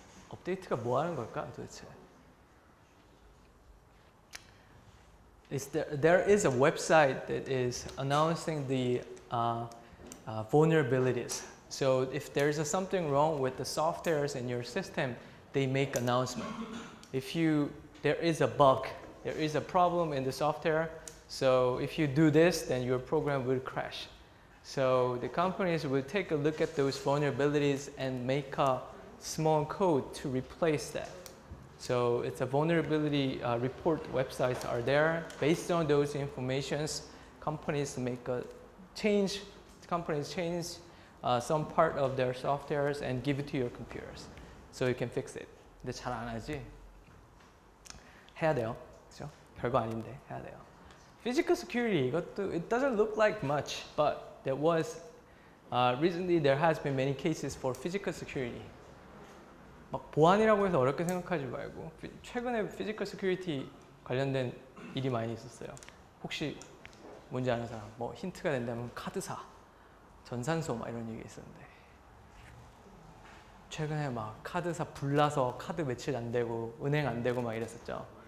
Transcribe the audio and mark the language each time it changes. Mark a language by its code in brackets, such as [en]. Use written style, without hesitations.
[ko] 업데이트가 뭐 하는 걸까 도대체? [en] There is a website that is announcing the vulnerabilities. So if there is something wrong with the softwares in your system, they make announcement. If you there is a bug, there is a problem in the software. So if you do this, then your program will crash. So the companies will take a look at those vulnerabilities and make a small code to replace that. So it's a vulnerability report websites are there. Based on those informations, companies make a change, companies change some part of their softwares and give it to your computers so you can fix it. [ko] 근데 잘 안 하지? 해야 돼요, 그렇죠? 별거 아닌데 해야 돼요. [en] Physical security, [ko] 이것도, [en] it doesn't look like much, but there was, recently there has been many cases for physical security. [ko] 막 보안이라고 해서 어렵게 생각하지 말고 최근에 피지컬 시큐리티 관련된 일이 많이 있었어요. 혹시 뭔지 아는 사람 뭐 힌트가 된다면 카드사, 전산소 막 이런 얘기 있었는데 최근에 막 카드사 불나서 카드 며칠 안 되고 은행 안 되고 막 이랬었죠.